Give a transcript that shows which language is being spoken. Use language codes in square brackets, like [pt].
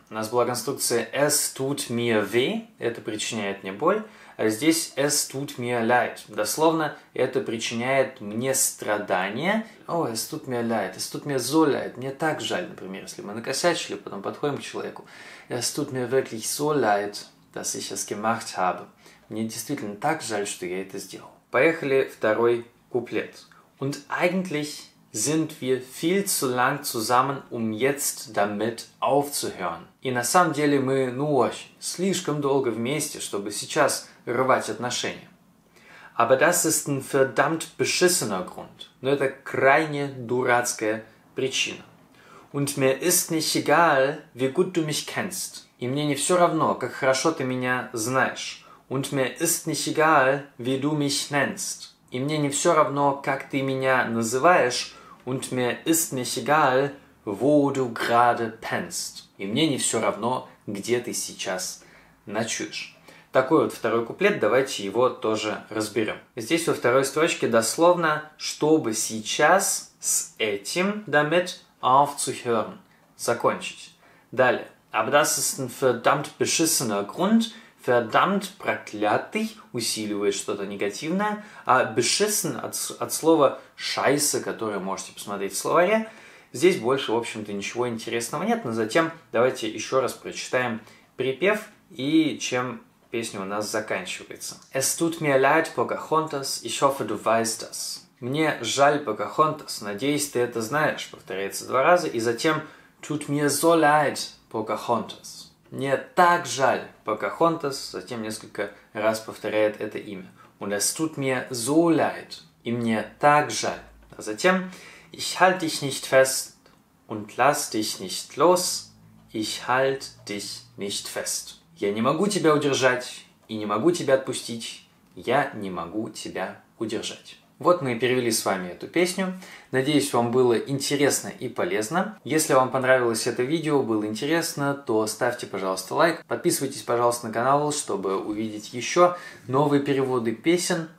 [ru] У нас была конструкция [de] «es tut mir weh» [ru] – это причиняет мне боль, а здесь [de] «es tut mir leid» [ru] – дословно «это причиняет мне страдания». О, oh, [de] «es tut mir leid», «es tut mir so leid» [ru] – мне так жаль, например, если мы накосячили, потом подходим к человеку. [de] «Es tut mir wirklich so leid, dass ich es gemacht habe». [ru] Мне действительно так жаль, что я это сделал. Поехали второй куплет. [de] «Und eigentlich...» sind wir viel zu lang zusammen, um jetzt damit aufzuhören. [ru] И на самом деле мы, ну, очень, слишком долго вместе, чтобы сейчас рвать отношения. [de] Aber das ist ein verdammt beschissener Grund. [ru] Но это крайне дурацкая причина. [de] Und mir ist nicht egal, wie gut du mich kennst. [ru] И мне не все равно, как хорошо ты меня знаешь. [de] Und mir ist nicht egal, wie du mich nennst. [ru] И мне не все равно, как ты меня называешь. [de] Und mir ist nicht egal, wo du gerade pennst. [ru] И мне не все равно, где ты сейчас ночуешь. Такой вот второй куплет, давайте его тоже разберем. Здесь во второй строчке дословно, чтобы сейчас с этим, [de] damit aufzuhören, [ru] закончить. Далее. Aber das ist ein verdammt beschissener Grund. Verdammt, проклятый, усиливает что-то негативное. А beschissen от слова scheiße, которое можете посмотреть в словаре. Здесь больше, в общем-то, ничего интересного нет. Но затем давайте еще раз прочитаем припев и чем песня у нас заканчивается. [de] Es tut mir leid, Pocahontas. Ich hoffe, du weißt das. [ru] Мне жаль, Pocahontas. Надеюсь, ты это знаешь. Повторяется два раза. И затем [de] tut mir so leid, [ru] Pocahontas. Мне так жаль, Pocahontas, затем несколько раз повторяет это имя. [de] Und es tut mir so leid. [ru] И мне так жаль. А затем, [de] ich halt dich nicht fest und lass dich nicht los. Ich halt dich nicht fest. [ru] Я не могу тебя удержать и не могу тебя отпустить. Я не могу тебя удержать. Вот мы и перевели с вами эту песню. Надеюсь, вам было интересно и полезно. Если вам понравилось это видео, было интересно, то ставьте, пожалуйста, лайк. Подписывайтесь, пожалуйста, на канал, чтобы увидеть еще новые переводы песен.